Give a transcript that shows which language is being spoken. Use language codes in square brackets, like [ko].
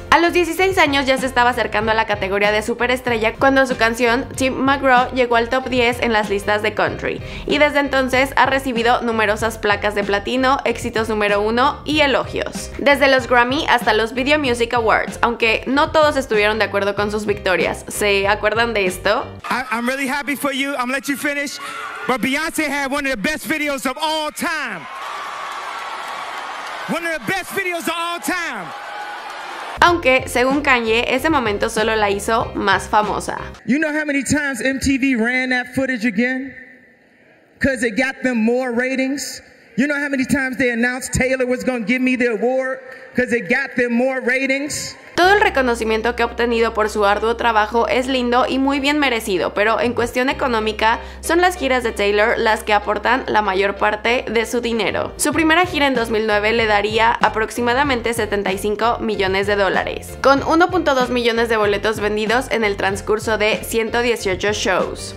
[es] A los 16 años ya se estaba acercando a la categoría de superestrella cuando su canción Tim McGraw llegó al top 10 en las listas de country, y desde entonces ha recibido numerosas placas de platino, éxitos número 1 y elogios. Desde los Grammy hasta los Video Music Awards, aunque no todos estuvieron de acuerdo con sus victorias. ¿Se acuerdan de esto? [en] I'm really happy for you. I'm let you finish. But Beyoncé had one of the best videos of all time. One of the best videos of all time. [es] Aunque, según Kanye, ese momento solo la hizo más famosa. [en] You know how many times MTV ran that footage again? Because it got them more ratings. You know how many times they announced Taylor was going to give me the award? Because it got them more ratings. [es] Todo el reconocimiento que ha obtenido por su arduo trabajo es lindo y muy bien merecido, pero en cuestión económica, son las giras de Taylor las que aportan la mayor parte de su dinero. Su primera gira en 2009 le daría aproximadamente 75 millones de dólares, con 1.2 millones de boletos vendidos en el transcurso de 118 shows.